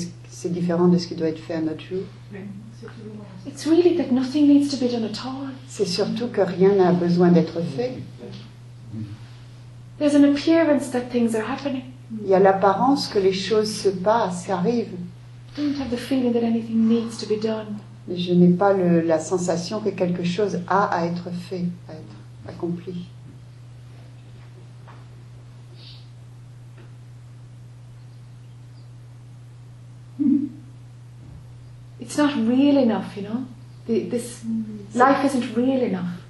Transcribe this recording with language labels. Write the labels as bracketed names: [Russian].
[French] c'est différent de ce qui doit être fait un autre jour. [English] It's really that nothing needs to be done at all. [French] C'est surtout que rien n'a besoin d'être fait. [English] There's an appearance that things are happening. [French] Il y a l'apparence que les choses se passent, qu'arrivent. [English] I don't have the feeling that anything needs to be done. [French] Mais je n'ai pas la sensation que quelque chose a à être fait, à être accompli. [English] It's not real enough, you know. This life isn't real enough.